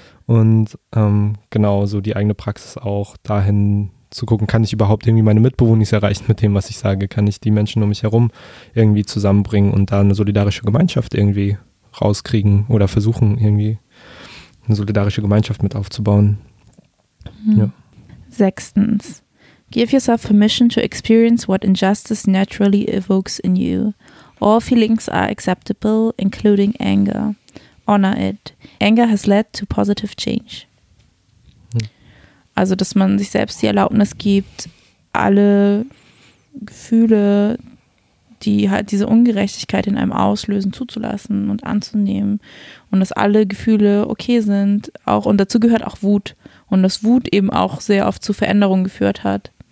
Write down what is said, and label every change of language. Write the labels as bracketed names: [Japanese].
[German] Und genau, so die eigene Praxis auch dahin zu gucken, kann ich überhaupt irgendwie meine Mitbewohner erreichen mit dem, was ich sage? Kann ich die Menschen um mich herum irgendwie zusammenbringen und da eine solidarische Gemeinschaft irgendwie rauskriegen oder versuchen, irgendwie eine solidarische Gemeinschaft mit aufzubauen? Ja. Sechstens. [English] Give yourself permission to experience what injustice naturally evokes in you. All feelings are acceptable, including anger. Honor it. Anger has led to positive change. [German] Also, dass man sich selbst die Erlaubnis gibt, alle Gefühle, die halt diese Ungerechtigkeit in einem auslösen, zuzulassen und anzunehmen. Und dass alle Gefühle okay sind. Auch, und dazu gehört auch Wut. Und dass Wut eben auch sehr oft zu Veränderungen geführt hat.